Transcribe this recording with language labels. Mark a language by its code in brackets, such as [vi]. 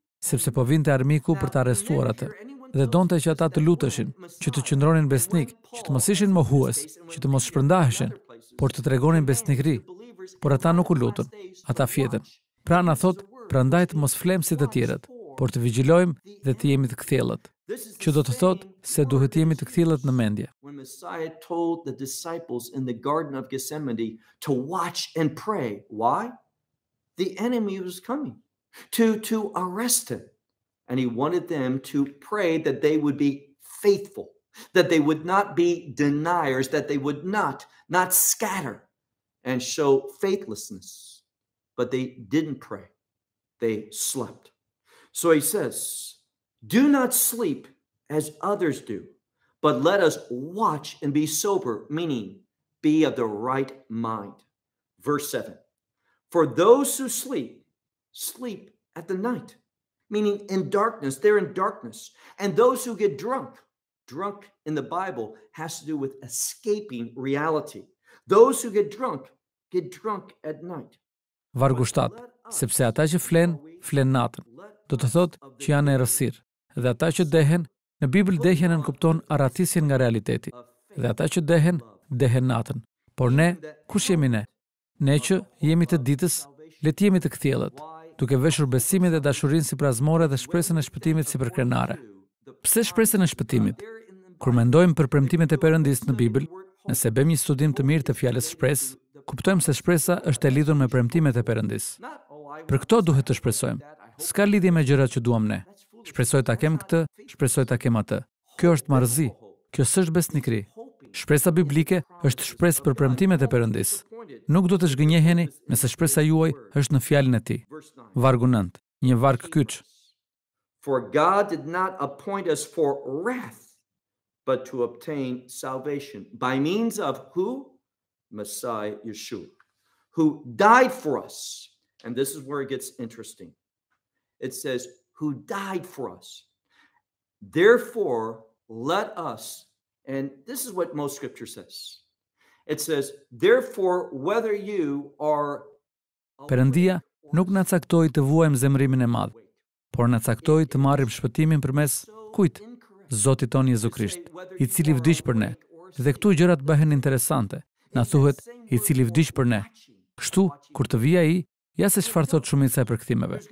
[sq] Sepse po vinte armiku për të arrestuar atë. Dhe donte që ata të luteshin, që të qëndronin besnik, që të mos ishin mohues, që të mos shpërndaheshin, por të tregonin besnikëri. Por ata nuk u lutën, ata fjetën. Pra na thot, prandaj të mos flem si të tjerët, por të vigjilojmë dhe të jemi të kthjellët. Që do të thot se duhet të jemi të kthjellët në mendje. [en] When Messiah told the disciples in the garden of Gethsemane to watch and pray, why? The enemy was coming to arrest him. And he wanted them to pray that they would be faithful, that they would not be deniers, that they would not scatter and show faithlessness. But they didn't pray. They slept. So he says, do not sleep as others do, but let us watch and be sober, meaning be of the right mind. Verse 7. For those who sleep, sleep at the night, meaning in darkness, they're in darkness. And those who get drunk in the Bible has to do with escaping reality. Those who get drunk at night. [sq] Vargu 7, sepse ata që flen natën, do të thotë që janë errësirë. Dhe ata që dehen, në Bibël dehja nënkupton arratisjen nga realiteti. Dhe ata që dehen, dehen natën. Por ne, kush jemi ne? Ne që jemi të ditës, le të jemi të kthjellët, duke veshur besimin dhe dashurinë si prazmore dhe shpresën e shpëtimit si për krenare. Pse shpresën e shpëtimit? Kur mendojmë për premtimet e Perëndisë në Bibël, nëse bëjmë një studim të mirë të fjalës shpresë, kuptojmë se shpresa është e lidhur me premtimet e Perëndisë. Për këto duhet të shpresojmë. S'ka lidhje me gjërat që duam ne. Shpresoj ta kem këtë, shpresoj ta kem atë. Kjo është marrëzi. Kjo s'është besnikëri. Shpresa biblike është shpresë për premtimet e Perëndisë. Nuk do të zhgënjeheni nëse shpresa juaj është në fjalën e Tij. Vargu 9, një varg kyç. [en] For God did not appoint us for wrath, but to obtain salvation by means of who? Messiah Yeshua, who died for us. And this is where it gets interesting. It says, who died for us. Therefore, let us, and this is what most scripture says. It says, therefore, whether you are... [sq] Perëndia nuk na caktoi të vuajm zemrimin e madh, por na caktoi të marrim shpëtimin përmes kujt? Zotit ton Jezu Krisht, i cili vdiq për ne. Dhe këtu gjërat bëhen interesante. Na thuhet, i cili vdiq për ne. Kështu, kur të vijë ai, ja se çfarë thot shumica e përkthimeve.